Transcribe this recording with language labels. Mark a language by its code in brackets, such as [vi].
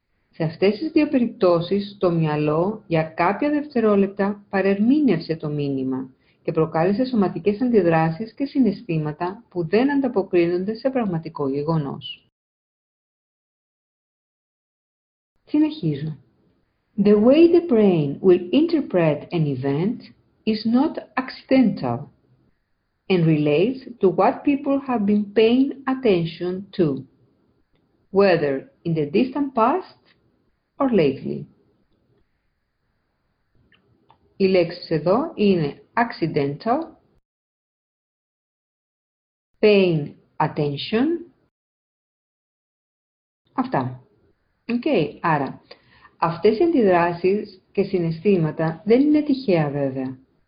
[el] Σε αυτές τις δύο περιπτώσεις, το μυαλό για κάποια δευτερόλεπτα παρερμήνευσε το μήνυμα και προκάλεσε σωματικές αντιδράσεις και συναισθήματα που δεν ανταποκρίνονται σε πραγματικό γεγονός. Συνεχίζω. [en] The way the brain will interpret an event is not accidental and relates to what people have been paying attention to, whether in the distant past or lately. [el] Οι λέξεις εδώ είναι accidental, paying attention. Αυτά. Άρα, αυτές οι αντιδράσεις και συναισθήματα δεν είναι τυχαία βέβαια.